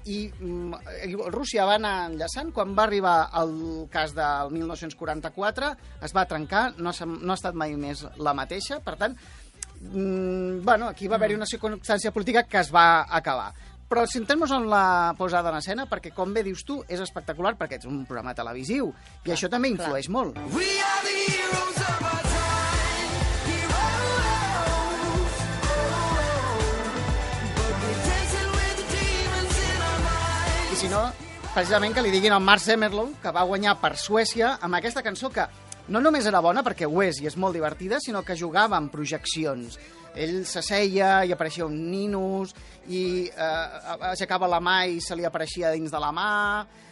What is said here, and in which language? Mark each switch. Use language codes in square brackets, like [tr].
[ca] I Rússia va anar enllaçant. Quan va arribar el cas del 1944, es va trencar, no ha estat mai més la mateixa. Per tant... aquí va haver-hi una circumstància política que es va acabar. Però centrem-nos en la posada en escena, perquè, com bé dius tu, és espectacular, perquè ets un programa televisiu, i això també influeix molt. [en] We are the heroes of our time. Heroes. Oh, oh, oh. But we're dancing with the demons in our minds. [ca] I si no, precisament que li diguin al Mark Zimmerlund, que va guanyar per Suècia amb aquesta cançó que... No només era bona, perquè ho és i és molt divertida, sinó que jugava amb projeccions. Ell s'asseia i apareixia un ninus, i aixecava la mà i se li apareixia dins de la mà.